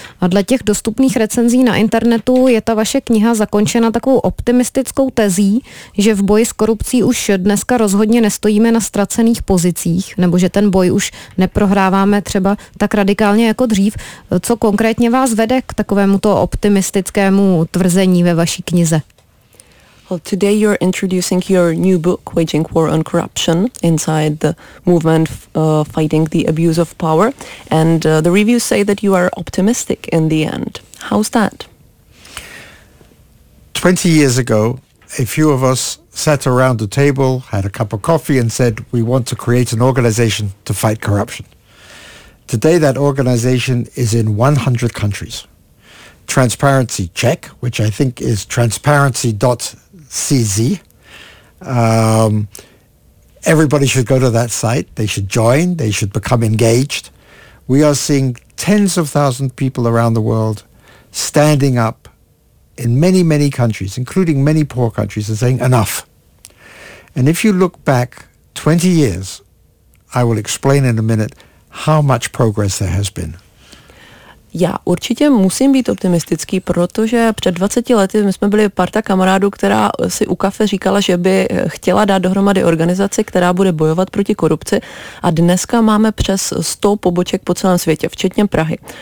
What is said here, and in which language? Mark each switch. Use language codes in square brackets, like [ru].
[cs] A dle těch dostupných recenzí na internetu je ta vaše kniha zakončena takovou optimistickou tezí, že v boji s korupcí už dneska rozhodně nestojíme na ztracených pozicích, nebo že ten boj už neprohráváme třeba tak radikálně jako dřív. Co konkrétně vás vede k takovému optimistickému tvrzení ve vaší knize? [en] Well, today you're introducing your new book, Waging War on Corruption, inside the movement fighting the abuse of power. And the reviews say that you are optimistic in the end. How's that? 20 years ago, a few of us sat around the table, had a cup of coffee and said, we want to create an organization to fight corruption. Today, that organization is in 100 countries. Transparency Czech, which I think is transparency.cz. Everybody should go to that site. They should join. They should become engaged. We are seeing tens of thousands of people around the world standing up in many, many countries, including many poor countries, and saying enough. And if you look back 20 years, I will explain in a minute how much progress there has been. [cs] Já určitě musím být optimistický, protože před 20 lety my jsme byli parta kamarádů, která si u kafe říkala, že by chtěla dát dohromady organizaci, která bude bojovat proti korupci, a dneska máme přes 100 poboček po celém světě, včetně Prahy,